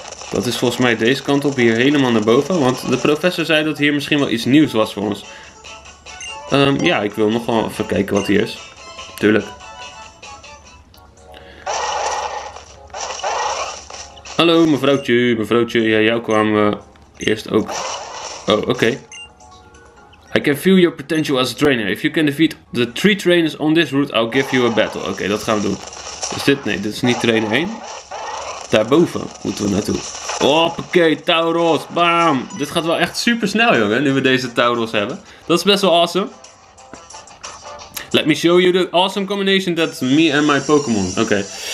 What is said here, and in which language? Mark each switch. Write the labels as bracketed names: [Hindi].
[Dutch] Dat is volgens mij deze kant op, hier helemaal naar boven. Want de professor zei dat hier misschien wel iets nieuws was voor ons. Ja, ik wil nog wel even kijken wat hier is. Tuurlijk. Hallo mevrouwtje, mevrouwtje. Ja, jou kwamen we eerst ook. Oh, oké. [English] Okay. I can feel your potential as a trainer. If you can defeat the 3 trainers on this route, I'll give you a battle. [Dutch] Oké, okay, dat gaan we doen. Is dit? Nee, dit is niet trainer 1. Daarboven moeten we naartoe. Hoppakee, Tauros. Bam. Dit gaat wel echt super snel, jongen, nu we deze Tauros hebben. Dat is best wel awesome. [English] Let me show you the awesome combination that me and my Pokémon. [Dutch] Oké. Okay.